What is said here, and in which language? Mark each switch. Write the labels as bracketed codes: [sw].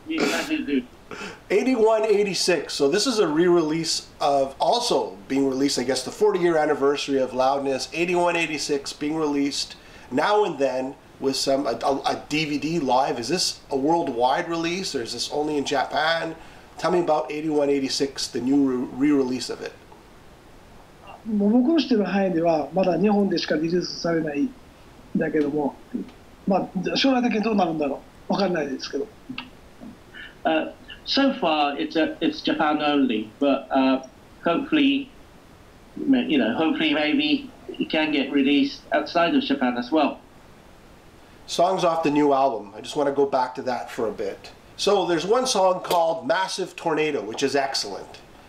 [en] 81-86. So this is a re-release of, also being released, I guess, the 40-year anniversary of Loudness. 81-86 being released now and then with some a DVD live. Is this a worldwide release, or is this only in Japan? Tell me about 81-86, the new re-release of it. [ja] 僕の知ってる範囲ではまだ日本でしかリリースされないんだけども、まあ将来だけどうなるんだろう、わかんないですけど。 [en] so far it's Japan only, but hopefully, you know, hopefully maybe it can get released outside of Japan as well. Songs off the new album, I just want to go back to that for a bit. So there's one song called Massive Tornado, which is excellent.